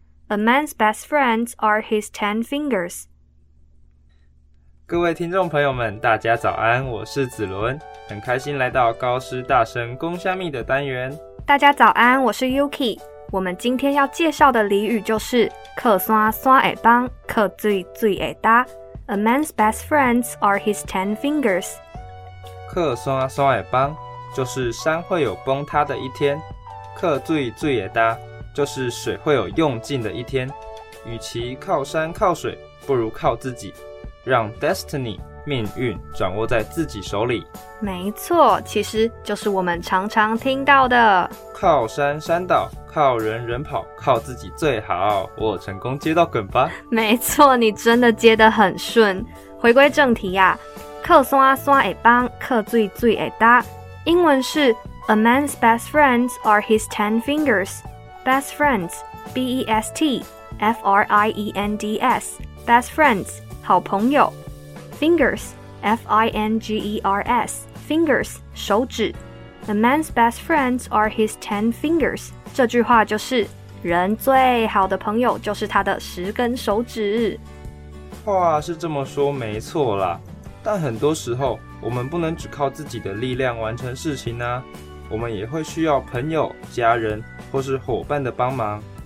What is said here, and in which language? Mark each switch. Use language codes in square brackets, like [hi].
[en] A man's best friends are his 10 fingers。 [zh] 各位听众朋友们，大家早安，我是子伦，很开心来到高师大声公虾米的单元。大家早安，我是 Yuki。我们今天要介绍的俚语就是：靠山山会崩，靠水水会打。 [en] A man's best friends are his 10 fingers。 [zh] 靠山山会崩，就是山会有崩塌的一天；靠水水会干，就是水会有用尽的一天。与其靠山靠水，不如靠自己，让 destiny 命运掌握在自己手里。没错，其实就是我们常常听到的： 靠山山倒，靠人人跑，靠自己最好。我成功接到梗吧？没错，你真的接得很顺。回归正题啊。靠山山会崩，靠水水会打。英文是 [en] A man's best friends are his 10 fingers. Best friends, B-E-S-T, F-R-I-E-N-D-S, best friends, 好朋友。 Fingers, F-I-N-G-E-R-S, fingers, 手指。 A man's best friends are his 10 fingers. [zh] 这句话就是人最好的朋友就是他的十根手指。话是这么说没错啦。但很多时候，我们不能只靠自己的力量完成事情啊，我们也会需要朋友、家人或是伙伴的帮忙。